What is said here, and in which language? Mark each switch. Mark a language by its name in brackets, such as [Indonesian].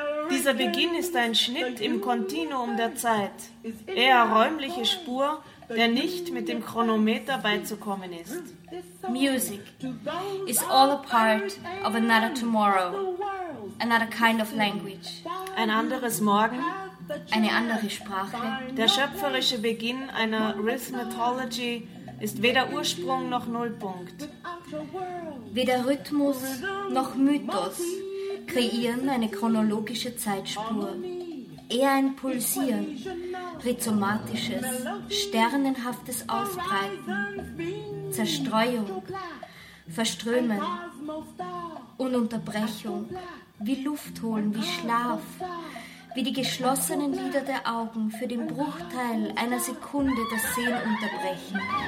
[German] Dieser Beginn ist ein Schnitt im Kontinuum der Zeit, eher räumliche Spur, der nicht mit dem Chronometer beizukommen ist. [English] Music is all a part of another tomorrow, another kind of language. [German] Ein anderes Morgen, eine andere Sprache. Der schöpferische Beginn einer Rhythmatology ist weder Ursprung noch Nullpunkt. Weder Rhythmus noch Mythos kreieren eine chronologische Zeitspur. Eher ein Pulsieren, rhizomatisches, sternenhaftes Ausbreiten, Zerstreuung, Verströmen, Ununterbrechung, wie Luft holen, wie Schlaf, wie die geschlossenen Lider der Augen für den Bruchteil einer Sekunde das Sehen unterbrechen,